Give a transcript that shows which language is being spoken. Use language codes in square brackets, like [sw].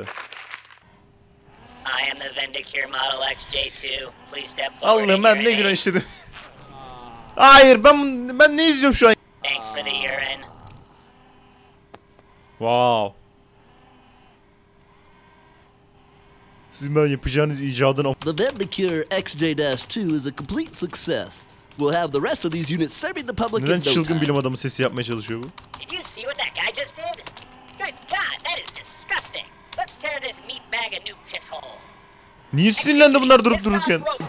[en] I am the Vendicure Model XJ2. Please step forward. [tr] Allah'ım, ben ne günah işledim. Hayır, ben ne izliyorum şu an? [en] Thanks for the urine. Wow. [tr] Sizin ben yapacağınız icadın... [en] The Vendicure XJ-2 is a complete success. We'll have the rest of these units serving the public [tr] neden [en] in no time. [tr] Neden çılgın bilim adamı sesi yapmaya çalışıyor bu? [en] Did you see what that guy just did? Good God, that is disgusting. Let's tear this meat bag a new piss hole. [tr] Niye sinirlendi bunlar durup dururken?